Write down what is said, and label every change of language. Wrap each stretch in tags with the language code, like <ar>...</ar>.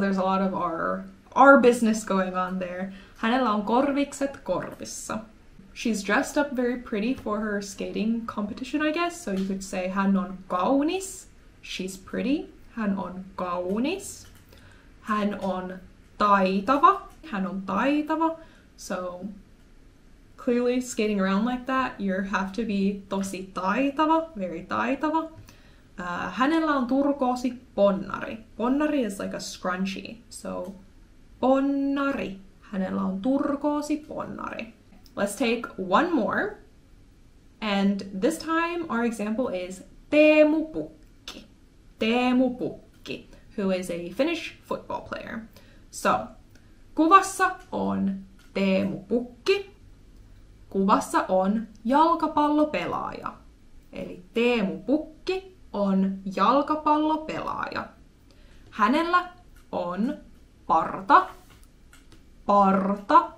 <en>There's a lot of our business going on there.</en> <fi>Hänellä on korvikset korvissa.</fi> <en>She's dressed up very pretty for her skating competition, I guess. So you could say</en> <fi>hän on kaunis.</fi> <en>She's pretty.</en> <fi>Hän on kaunis. Hän on taitava. Hän on taitava.</fi> <en>So clearly skating around like that, you have to be</en> <fi>tosi taitava,</fi> <en>very taitava.</en> <fi>Hänellä on turkoosi ponnari.</fi> <en>Ponnari is like a scrunchie.</en> <fi>So, ponnari. Hänellä on turkoosi ponnari.</fi> <en>Let's take one more. And this time our example is Teemu Pukki. Teemu Pukki, who is a Finnish football player.</en> <fi>So, kuvassa on Teemu Pukki. Kuvassa on jalkapallopelaaja. Eli Teemu Pukki on jalkapallopelaaja. Hänellä on parta. Parta.</fi>